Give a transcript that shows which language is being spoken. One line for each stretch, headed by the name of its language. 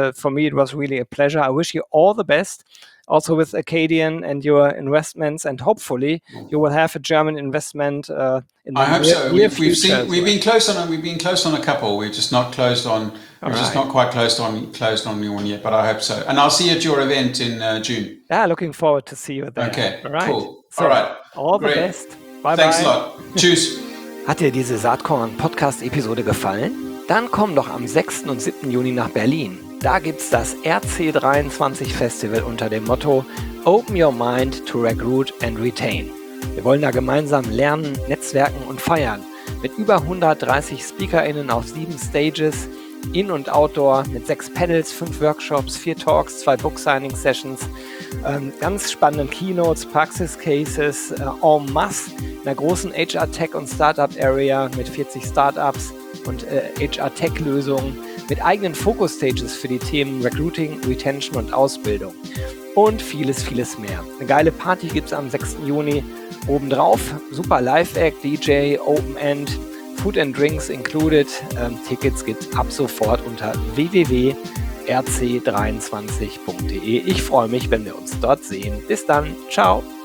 English: For me, it was really a pleasure. I wish you all the best, also with Acadian and your investments, and hopefully you will have a German investment in the near future. I hope so. We've been close on a couple. We've just not quite closed on anyone yet, but I hope so. And I'll see you at your event in June. Yeah, looking forward to see you there. Okay, all right. Cool. All the best. Bye-bye. Thanks a lot. Tschüss.
German: Hat dir diese Saatkorn Podcast-Episode gefallen? Dann komm doch am 6. und 7. Juni nach Berlin. Da gibt's das RC23 Festival unter dem Motto Open Your Mind to Recruit and Retain. Wir wollen da gemeinsam lernen, netzwerken und feiern. Mit über 130 SpeakerInnen auf 7 Stages, In- und Outdoor, mit 6 Panels, 5 Workshops, 4 Talks, 2 Book Signing Sessions, ganz spannenden Keynotes, Praxis Cases, en masse, einer großen HR Tech und Startup Area mit 40 Startups und HR Tech Lösungen. Mit eigenen Focus-Stages für die Themen Recruiting, Retention und Ausbildung. Und vieles, vieles mehr. Eine geile Party gibt es am 6. Juni. Obendrauf super Live-Act, DJ, Open-End,
English: Food and Drinks included.
German: Tickets gibt es ab sofort unter www.rc23.de. Ich freue mich, wenn wir uns dort sehen. Bis dann. Ciao.